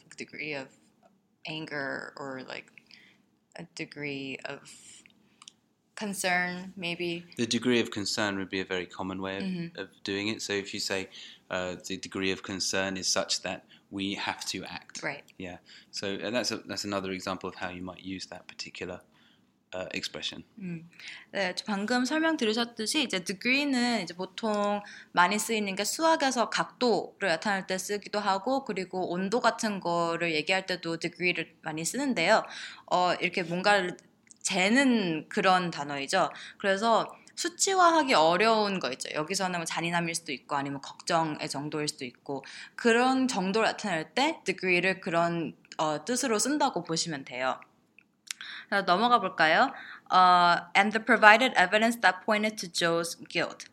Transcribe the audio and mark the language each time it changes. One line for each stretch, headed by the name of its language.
English: Like degree of anger or like a degree of concern, maybe. The degree of concern would be a very common way of doing it. So if you say the degree of concern is such that we have to act. Right. Yeah. So that's another example of how you might use that particular expression.
Korean: 네, 방금 설명 들으셨듯이 이제 degree는 이제 보통 많이 쓰이는 게 수학에서 각도를 나타낼 때 쓰기도 하고 그리고 온도 같은 거를 얘기할 때도 degree를 많이 쓰는데요. 이렇게 뭔가를 재는 그런 단어이죠. 그래서 수치화하기 어려운 거 있죠. 여기서는 뭐 잔인함일 수도 있고 아니면 걱정의 정도일 수도 있고 그런 정도를 나타낼 때 degree를 그런 뜻으로 쓴다고 보시면 돼요. 넘어가 볼까요?
English: And the provided evidence that pointed to Joe's guilt.